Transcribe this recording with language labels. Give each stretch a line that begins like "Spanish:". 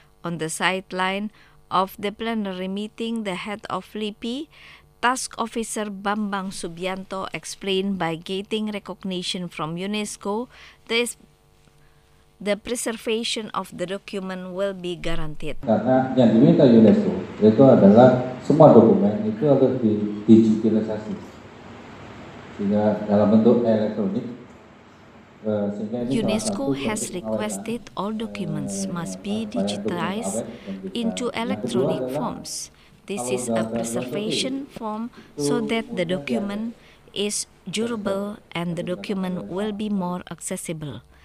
English: On the sideline of the plenary meeting, the head of LIPI, Task Officer Bambang Subianto, explained by getting recognition from UNESCO, the preservation of the document will be guaranteed.
Indonesian: Karena yang diminta UNESCO itu adalah semua dokumen itu harus didigitalisasi, sehingga dalam bentuk elektronik.
English: UNESCO has requested all documents must be digitized into electronic forms. This is a preservation form so that the document is durable and the document will be more accessible.